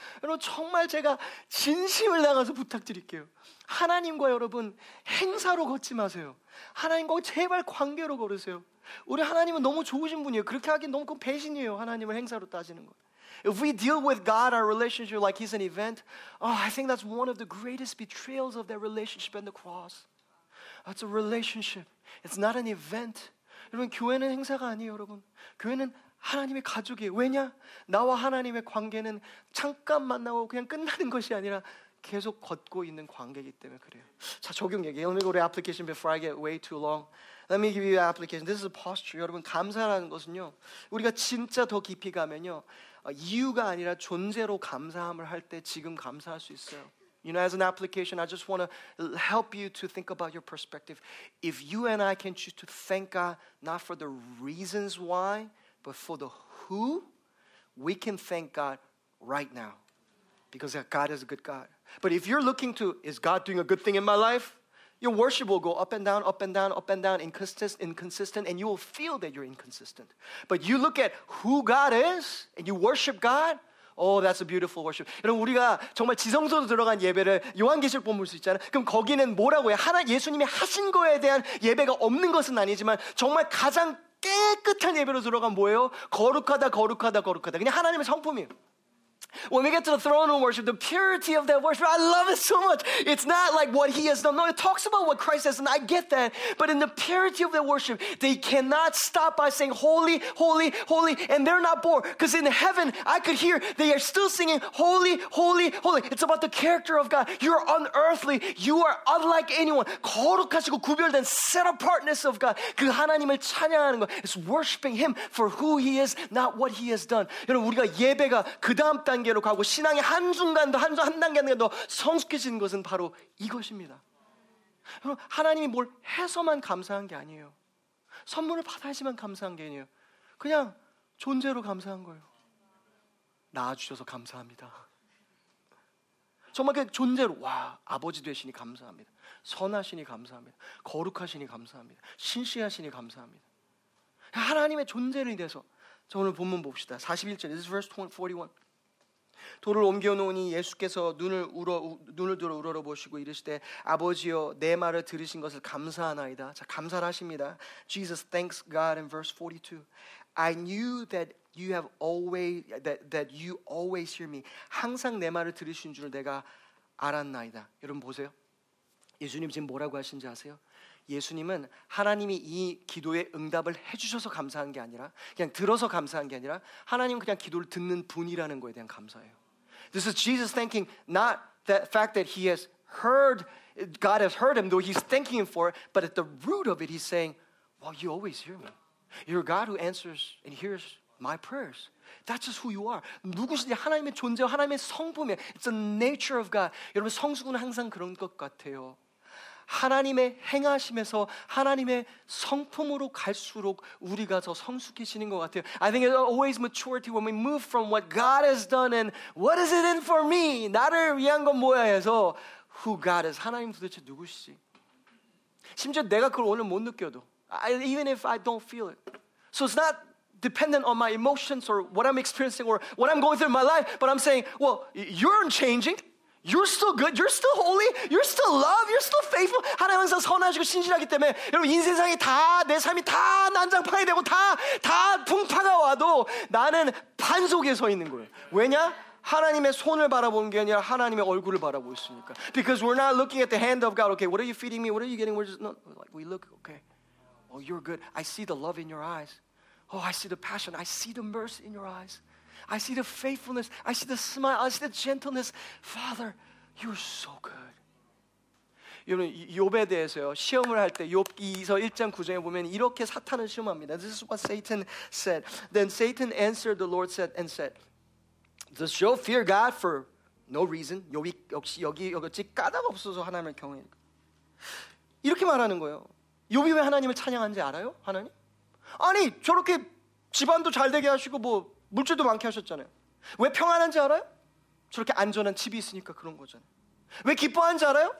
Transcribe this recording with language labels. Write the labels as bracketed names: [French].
[Korean] 여러분 정말 제가 진심을 나가서 부탁드릴게요. 하나님과 여러분 행사로 걷지 마세요. 하나님과 제발 관계로 걸으세요. 우리 하나님은 너무 좋으신 분이에요. 그렇게 하긴 너무 배신이에요. 하나님을 행사로 따지는 거. [English] If we deal with God, our relationship, like he's an event, oh, I think that's one of the greatest betrayals of that relationship and the cross. That's a relationship. It's not an event. [Korean] 여러분, 교회는 행사가 아니에요, 여러분. 교회는 하나님의 가족이에요. 왜냐? 나와 하나님의 관계는 잠깐 만나고 그냥 끝나는 것이 아니라 계속 걷고 있는 관계이기 때문에 그래요. 자, 적용 얘기. [English] Let me go to application before I get way too long. Let me give you an application. This is a posture. [Korean] 여러분, 감사라는 것은요. 우리가 진짜 더 깊이 가면요. 이유가 아니라 존재로 감사함을 할 때 지금 감사할 수 있어요. [English] You know, as an application, I just want to help you to think about your perspective. If you and I can choose to thank God, not for the reasons why, but for the who, we can thank God right now. Because God is a good God. But if you're looking to, is God doing a good thing in my life? Your worship will go up and down, up and down, up and down, inconsistent, and you will feel that you're inconsistent. But you look at who God is, and you worship God, oh, that's a beautiful worship. [Korean] 여러분, 우리가 정말 지성소로 들어간 예배를 요한계시록 보면 볼 수 있잖아요. 그럼 거기는 뭐라고 해요? 하나 예수님이 하신 거에 대한 예배가 없는 것은 아니지만 정말 가장 깨끗한 예배로 들어간 뭐예요? 거룩하다, 거룩하다, 거룩하다. 그냥 하나님의 성품이에요. [English] When we get to the throne room worship, the purity of that worship, I love it so much. It's not like what he has done. No, it talks about what Christ has done. I get that. But in the purity of their worship, they cannot stop by saying, holy, holy, holy, and they're not bored. Because in heaven, I could hear, they are still singing, holy, holy, holy. It's about the character of God. You're unearthly. You are unlike anyone. [Korean] 거룩하시고 구별된 [English] set apartness of God. [Korean] 그 하나님을 찬양하는 거. [English] It's worshiping him for who he is, not what he has done. [Korean] 여러분, 우리가 예배가 그 다음 단계로 가고 신앙의 한 순간 더 한 단계 더 성숙해지는 것은 바로 이것입니다. 하나님이 뭘 해서만 감사한 게 아니에요. 선물을 받아야지만 감사한 게 아니에요. 그냥 존재로 감사한 거예요. 낳아주셔서 감사합니다. 정말 그 존재로 와 아버지 되시니 감사합니다. 선하시니 감사합니다. 거룩하시니 감사합니다. 신실하시니 감사합니다. 하나님의 존재를 대해서 자, 오늘 본문 봅시다. [English] 41절 This is verse 41. [Korean] 돌을 옮겨 놓으니 예수께서 눈을 들어 우러러보시고 이르시되 아버지여 내 말을 들으신 것을 감사하나이다. 자, 감사를 하십니다. [English] Jesus thanks God in verse 42. I knew that you have always that you always hear me. [Korean] 항상 내 말을 들으신 줄 내가 알았나이다. 여러분 보세요. 예수님 지금 뭐라고 하신지 아세요? 예수님은 하나님이 이 기도에 응답을 해주셔서 감사한 게 아니라 그냥 들어서 감사한 게 아니라 하나님은 그냥 기도를 듣는 분이라는 거에 대한 감사예요. [English] This is Jesus thanking not the fact that he has heard, God has heard him, though he's thanking him for it, but at the root of it he's saying, well, you always hear me. You're a God who answers and hears my prayers. That's just who you are. [Korean] 누구신지 하나님의 존재와 하나님의 성품이야. [English] It's the nature of God. [Korean] 여러분 성숙은 항상 그런 것 같아요. 하나님의 행하심에서 하나님의 성품으로 갈수록 우리가 더 성숙해지는 것 같아요. [English] I think it's always maturity when we move from what God has done and what is it in for me? [Korean] 나를 위한 건 뭐야 해서 [English] who God is? [Korean] 하나님 도대체 누구시지? 심지어 내가 그걸 오늘 못 느껴도 [English] even if I don't feel it. So it's not dependent on my emotions or what I'm experiencing or what I'm going through in my life, but I'm saying, well, you're unchanging. You're still good. You're still holy. You're still love. You're still faithful. [Korean] 하나님 항상 선하시고 신실하기 때문에 여러분 인생상이 다 내 삶이 다 난장판이 되고 다 풍파가 와도 나는 반석에 서 있는 거예요. 왜냐? 하나님의 손을 바라보는 게 아니라 하나님의 얼굴을 바라보고 있으니까. [English] Because we're not looking at the hand of God. Okay, what are you feeding me? What are you getting? We're just not like we look. Okay. Oh, you're good. I see the love in your eyes. Oh, I see the passion. I see the mercy in your eyes. I see the faithfulness. I see the smile. I see the gentleness. Father, you're so good. [Korean] 여러분, 욥에 대해서요. 시험을 할 때 욥 2서 1장 9절에 보면 이렇게 사탄을 시험합니다. [English] This is what Satan said. Then Satan answered the Lord said and said, Does Job fear God for no reason? [Korean] 욥이 역시 여기 까닭 없어서 하나님을 경외하니까. 이렇게 말하는 거예요. 욥이 왜 하나님을 찬양한지 알아요? 하나님? 아니, 저렇게 집안도 잘 되게 하시고 뭐 물질도 많게 하셨잖아요. 왜 평안한지 알아요? 저렇게 안전한 집이 있으니까 그런 거잖아요. 왜 기뻐하는지 알아요?